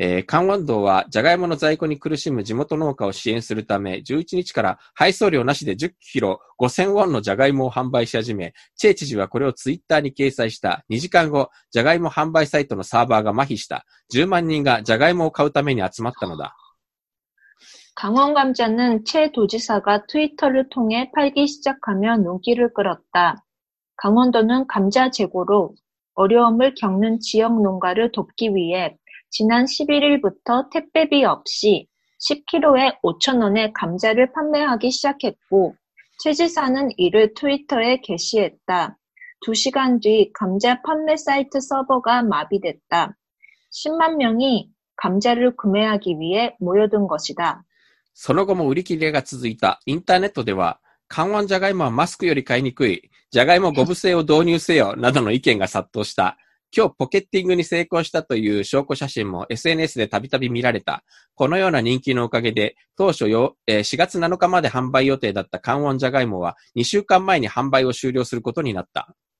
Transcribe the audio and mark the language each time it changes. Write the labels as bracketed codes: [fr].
[ja] カンウォンドは、ジャガイモの在庫に苦しむ地元農家を支援するため、11日から配送料なしで10キロ5000ウォンのジャガイモを販売し始め、チェ知事はこれをツイッターに掲載した。 2時間後、ジャガイモ販売サイトのサーバーが麻痺した。10万人がジャガイモを買うために集まったのだ。 [ko] カンウォン감자는、 [ja] チェ・ドー知事がツイッターを通して [ko] 팔기시작하며눈길을끌었다。 강원도는감자재고로어려움을겪는지역농가를돕기위해지난11일부터택배비없이 10kg 에 5,000 원의감자를판매하기시작했고최지사는이를트위터에게시했다2시간뒤감자판매사이트서버가마비됐다10만명이감자를구매하기위해모여든것이다 [ja] その後も売り切れが続いた。インターネットでは강원ジャガイモはマスクより買いにくいジャガイモゴブ製を導入せよ、などの意見が殺到した。今日ポケッティングに成功したという証拠写真も SNS でたびたび見られた。このような人気のおかげで、当初よ、4月7日まで販売予定だったカンウォンジャガイモは2週間前に販売を終了することになった。